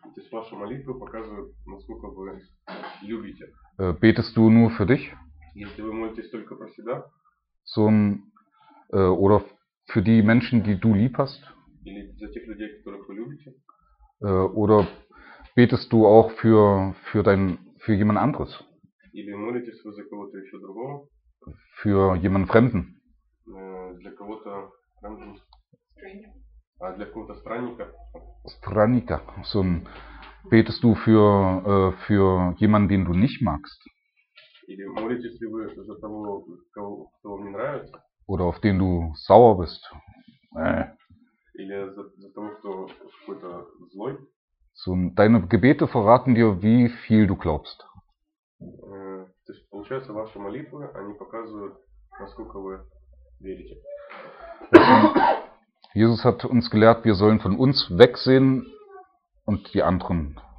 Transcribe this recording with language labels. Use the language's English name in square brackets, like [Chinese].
[Russian] Ваша молитва показывает, насколько вы любите. [German] Betest du nur für dich? [Russian] Если вы молитесь только про себя? [German] Oder für die Menschen, die du lieb hast? [Russian] Или за тех людей, которых вы любите? [German] Oder betest du auch für jemand anderes? [Russian] Или молитесь вы за кого-то еще другого? [German] Für jemanden Fremden? [Russian] Для кого-то [German] Fremden? [Russian] А для кого-то странника? Странника. [German] Betest du für jemanden, den du nicht magst? [Russian] Или молитесь ли вы за того, кто вам не нравится? [German] Oder auf den du sauer bist? [Russian] Или за того, кто какой-то злой? [German] Deine Gebete verraten dir, wie viel du glaubst. [Russian] То есть, получается, ваши молитвы, они показывают, насколько вы верите. [German] Jesus hat uns gelehrt, wir sollen von uns wegsehen und die anderen